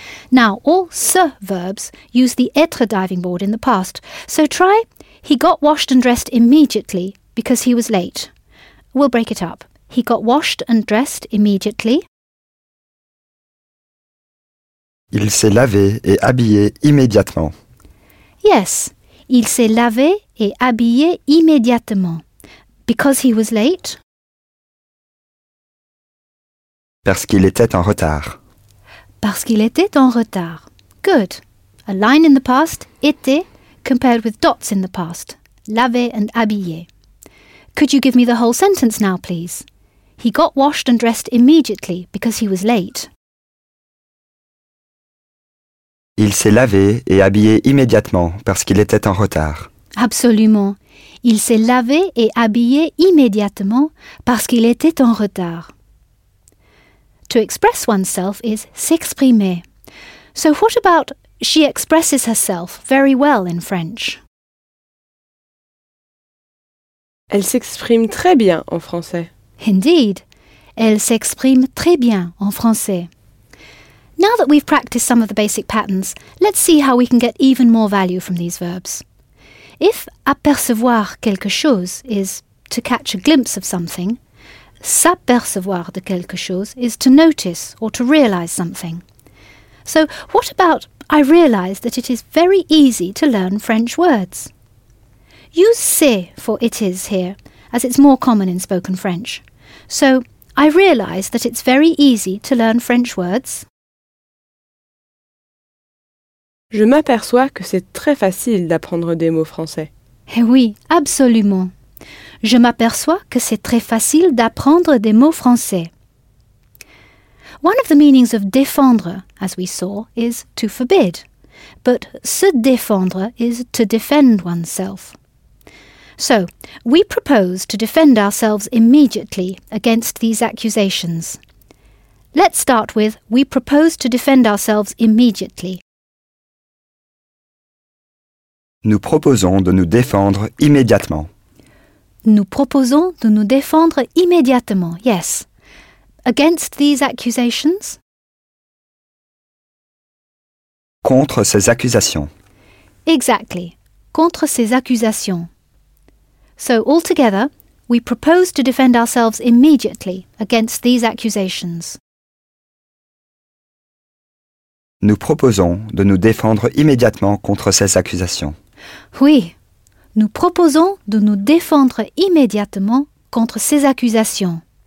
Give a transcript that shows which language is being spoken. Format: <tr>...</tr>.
<en>Now, all se verbs use the être diving board in the past. So try, he got washed and dressed immediately because he was late. We'll break it up. He got washed and dressed immediately.</en> <fr>Il s'est lavé et habillé immédiatement. Yes, il s'est lavé et habillé immédiatement.</fr> <en>Because he was late?</en> <fr>Parce qu'il était en retard. Parce qu'il était en retard.</fr> <en>Good. A line in the past, était, compared with dots in the past. Lavé and habillé. Could you give me the whole sentence now, please? He got washed and dressed immediately because he was late.</en> <fr>Il s'est lavé et habillé immédiatement parce qu'il était en retard. Absolument. Il s'est lavé et habillé immédiatement parce qu'il était en retard.</fr> <en>To express oneself is s'exprimer. So what about she expresses herself very well in French?</en> <fr>Elle s'exprime très bien en français.</fr> <en>Indeed,</en> <fr>elle s'exprime très bien en français.</fr> <en>Now that we've practiced some of the basic patterns, let's see how we can get even more value from these verbs. If</en> <fr>apercevoir quelque chose</fr> <en>is to catch a glimpse of something,</en> <fr>s'apercevoir de quelque chose</fr> <en>is to notice or to realise something. So, what about I realise that it is very easy to learn French words? Use c'est for it is here, as it's more common in spoken French. So, I realise that it's very easy to learn French words.</en> <fr>Je m'aperçois que c'est très facile d'apprendre des mots français. Eh oui, absolument. je m'aperçois que c'est très facile d'apprendre des mots français.</fr> <en>One of the meanings of défendre, as we saw, is to forbid. But se défendre is to defend oneself. So, we propose to defend ourselves immediately against these accusations. Let's start with, we propose to defend ourselves immediately.</en> <fr>Nous proposons de nous défendre immédiatement. Nous proposons de nous défendre immédiatement, yes.</fr> <en>Against these accusations?</en> <fr>Contre ces accusations.</fr> <en>Exactly.</en> <fr>Contre ces accusations.</fr> <en>So, altogether, we propose to defend ourselves immediately against these accusations.</en> <fr>Nous proposons de nous défendre immédiatement contre ces accusations. Oui, nous proposons de nous défendre immédiatement contre ces accusations.</fr>